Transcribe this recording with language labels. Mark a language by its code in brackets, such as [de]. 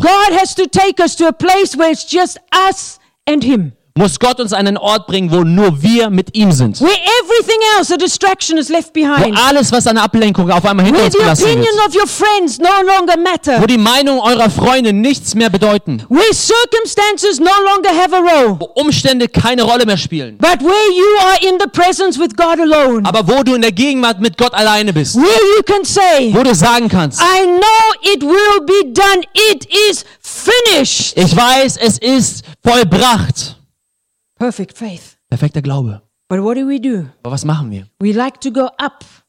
[en] God has to take us to a place where it's just us. And him. [de] Muss Gott uns an einen Ort bringen, wo nur wir mit ihm sind. [en] Where everything else, a distraction is left behind. [de] Wo alles, was an Ablenkung auf einmal hinter uns gelassen wird. [en] Where the opinion of your friends no longer matter. [de] Wo die Meinung eurer Freunde nichts mehr bedeuten. [en] Where circumstances no longer have a role. [de] Wo Umstände keine Rolle mehr spielen. [en] But where you are in the presence with God alone. [de] Aber wo du in der Gegenwart mit Gott alleine bist. [en] Where you can say, [de] wo du sagen kannst, [en] I know it will be done. It is finished. [de] Ich weiß, es ist vollbracht. [en] Perfect faith. [de] Perfekter Glaube. [en] But what do we do? [de] Aber was machen wir? [en] We like to go up.